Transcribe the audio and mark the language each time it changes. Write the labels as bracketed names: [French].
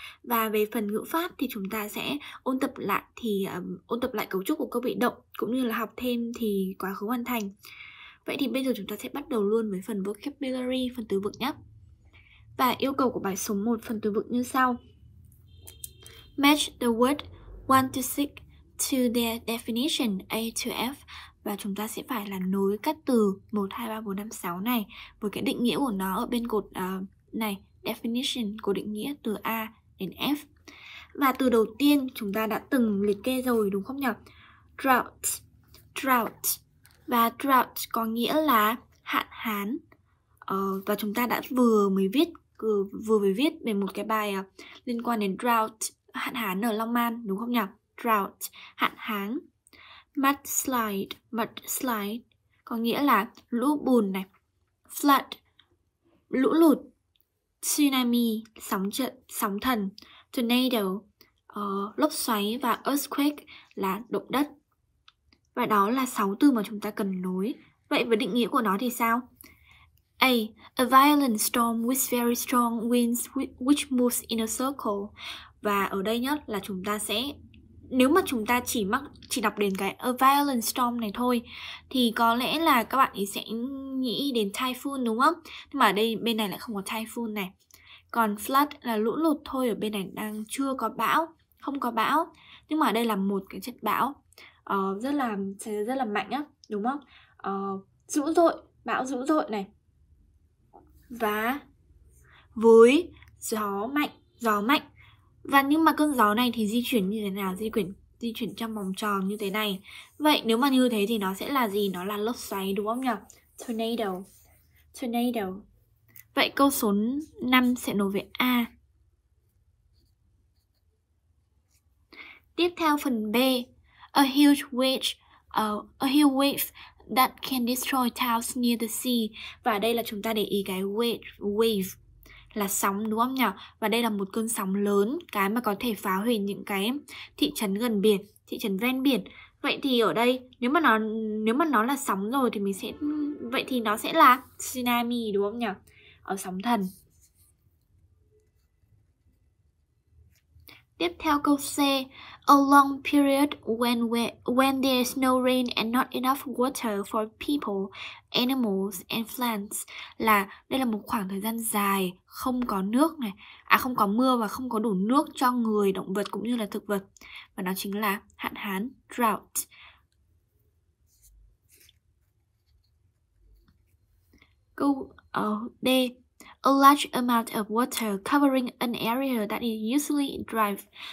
[Vietnamese] Và về phần ngữ pháp thì chúng ta sẽ ôn tập lại cấu trúc của câu bị động cũng như là học thêm thì quá khứ hoàn thành. Vậy thì bây giờ chúng ta sẽ bắt đầu luôn với phần vocabulary, phần từ vựng nhé. Và yêu cầu của bài số 1 phần từ vựng như sau. [English] Match the word 1 to 6 to their definition A to F. [Vietnamese] Và chúng ta sẽ phải là nối các từ 1, 2, 3, 4, 5, 6 này với cái định nghĩa của nó ở bên cột này, definition của định nghĩa từ A đến F. Và từ đầu tiên chúng ta đã từng liệt kê rồi đúng không nhỉ? Drought, drought. Và drought có nghĩa là hạn hán. Và chúng ta đã vừa mới viết về một cái bài liên quan đến drought, hạn hán ở Long An, đúng không nhỉ? Drought, hạn hán. Mudslide, mudslide có nghĩa là lũ bùn này. Flood, lũ lụt. Tsunami, sóng thần. Tornado, lốc xoáy. Và earthquake là động đất. Và đó là 6 từ mà chúng ta cần nối. Vậy với định nghĩa của nó thì sao? A. [English] A violent storm with very strong winds which moves in a circle. [Vietnamese] Và ở đây nhất là chúng ta sẽ, nếu mà chúng ta chỉ đọc đến cái [English] a violent storm [Vietnamese] này thôi thì có lẽ là các bạn ấy sẽ nghĩ đến typhoon đúng không? Nhưng mà ở đây bên này lại không có typhoon này. Còn flood là lũ lụt thôi, ở bên này đang chưa có bão, không có bão. Nhưng mà ở đây là một cái trận bão rất là mạnh á, đúng không? Dữ dội, bão dữ dội này. Và với gió mạnh. Và nhưng mà cơn gió này thì di chuyển như thế nào? Di chuyển trong vòng tròn như thế này. Vậy nếu mà như thế thì nó sẽ là gì? Nó là lốc xoáy đúng không nhỉ? Tornado. Vậy câu số 5 sẽ nối với A. Tiếp theo phần B. [English] A huge wave that can destroy towns near the sea. [Vietnamese] Và đây là chúng ta để ý cái wave là sóng đúng không nhỉ? Và đây là một cơn sóng lớn, cái mà có thể phá hủy những cái thị trấn gần biển, thị trấn ven biển. Vậy thì ở đây nếu mà nó là sóng rồi thì nó sẽ là tsunami đúng không nhỉ? Ở sóng thần. Tiếp theo câu C. [English] A long period when there's no rain and not enough water for people, animals and plants. [Vietnamese] Là đây là một khoảng thời gian dài không có nước này, không có mưa và không có đủ nước cho người, động vật cũng như là thực vật. Và nó chính là hạn hán, drought. Câu D. [English] A large amount of water covering an area that is usually dry.